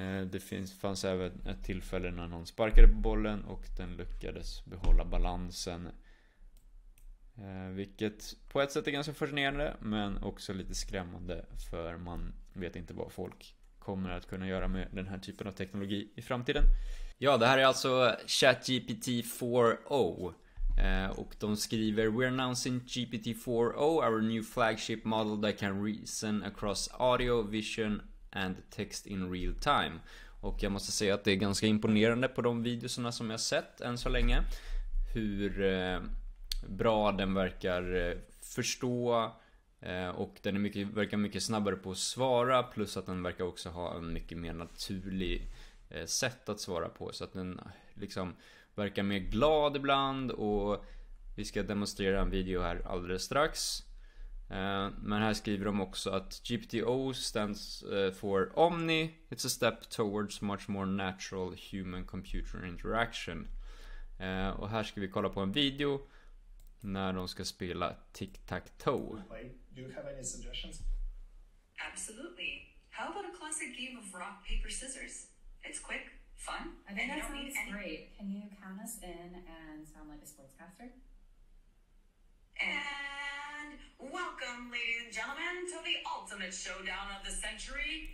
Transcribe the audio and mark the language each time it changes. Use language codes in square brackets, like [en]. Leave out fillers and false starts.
[sv] Det fanns även ett tillfälle när någon sparkade på bollen och den lyckades behålla balansen. Vilket på ett sätt är ganska fascinerande, men också lite skrämmande, för man vet inte vad folk kommer att kunna göra med den här typen av teknologi i framtiden. Ja, det här är alltså ChatGPT 4.0. Och de skriver: [en] "We're announcing GPT-4o, our new flagship model that can reason across audio, vision and text in real time." [sv] Och jag måste säga att det är ganska imponerande på de videorna som jag sett än så länge, hur bra den verkar förstå, och den är mycket, verkar mycket snabbare på att svara, plus att den verkar också ha en mycket mer naturlig sätt att svara på, så att den liksom verkar mer glad ibland. Och vi ska demonstrera en video här alldeles strax. Men här skriver de också att GPT-O [en] stands for Omni. It's a step towards much more natural human-computer interaction. [sv] Och här ska vi kolla på en video när de ska spela tic-tac-toe. [en] Do you have any suggestions? Absolutely. How about a classic game of rock, paper, scissors? It's quick, fun. I think that sounds great. Can you count us in and sound like a sportscaster? And welcome, ladies and gentlemen, to the ultimate showdown of the century.